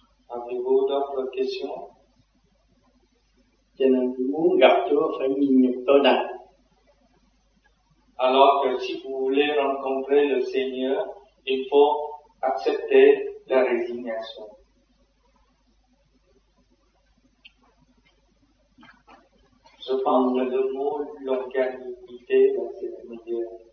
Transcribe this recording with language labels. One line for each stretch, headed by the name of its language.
French: Avez-vous d'autres questions?
Vietnamese: Cho nên muốn gặp Chúa phải nhịn nhục tối đa.
French: Alors que si vous voulez rencontrer le Seigneur, il faut accepter la résignation. Je pense que le mot longanimité, c'est le meilleur.